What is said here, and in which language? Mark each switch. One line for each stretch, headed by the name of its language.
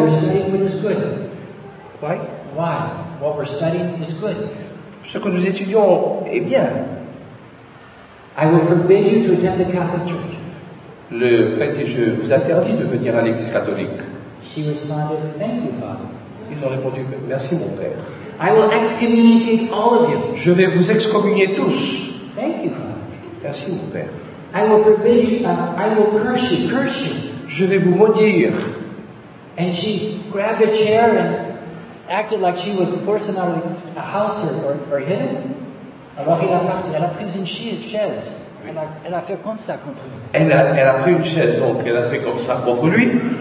English: We're studying what is good. Why? Why? What we're studying is good.
French: Ce que nous étudions est bien.
English: I will forbid you to attend the Catholic Church.
French: Le prêtre dit, je vous interdis de venir à l'église catholique.
English: She responded, thank you, Father.
French: Ils ont répondu, merci mon père.
English: I will excommunicate all of you.
French: Je vais vous excommunier tous.
English: Thank you, Father.
French: Merci mon père.
English: I will forbid you, I will curse you, curse you.
French: Je vais vous maudire.
English: And she grabbed a chair and acted like she would force him out of a house or hit him.
French: Alors elle a pris une chaise. Elle a fait comme ça contre lui. Elle a pris une chaise, donc elle a fait comme ça contre lui.